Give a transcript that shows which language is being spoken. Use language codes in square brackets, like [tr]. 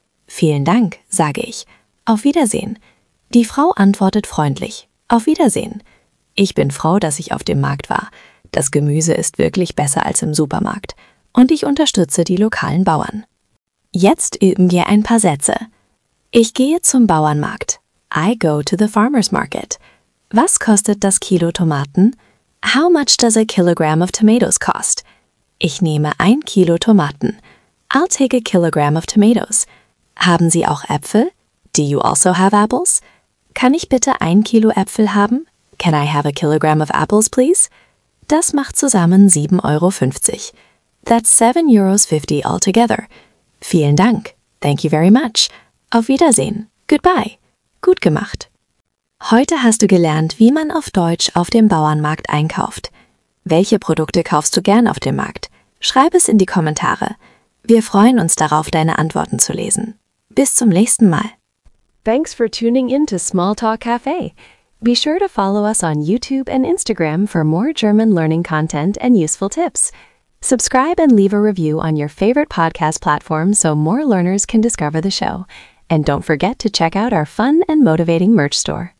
[de] Vielen Dank, sage ich. Auf Wiedersehen. Die Frau antwortet freundlich. Auf Wiedersehen. Ich bin froh, dass ich auf dem Markt war. Das Gemüse ist wirklich besser als im Supermarkt. Und ich unterstütze die lokalen Bauern. Jetzt üben wir ein paar Sätze. Ich gehe zum Bauernmarkt. [en] I go to the farmer's market. [de] Was kostet das Kilo Tomaten? [en] How much does a kilogram of tomatoes cost? [de] Ich nehme 1 Kilo Tomaten. [en] I'll take a kilogram of tomatoes. [de] Haben Sie auch Äpfel? [en] Do you also have apples? [de] Kann ich bitte 1 Kilo Äpfel haben? [en] Can I have a kilogram of apples, please? [de] Das macht zusammen 7,50 Euro. [en] That's 7,50 Euro altogether. [de] Vielen Dank. [en] Thank you very much. [de] Auf Wiedersehen. [en] Goodbye. [de] Gut gemacht. Heute hast du gelernt, wie man auf Deutsch auf dem Bauernmarkt einkauft. Welche Produkte kaufst du gern auf dem Markt? Schreib es in die Kommentare. Wir freuen uns darauf, deine Antworten zu lesen. Bis zum nächsten Mal. [en] Thanks for tuning in to Small Talk Cafe. Be sure to follow us on YouTube and Instagram for more German learning content and useful tips. Subscribe and leave a review on your favorite podcast platform so more learners can discover the show. And don't forget to check out our fun and motivating merch store.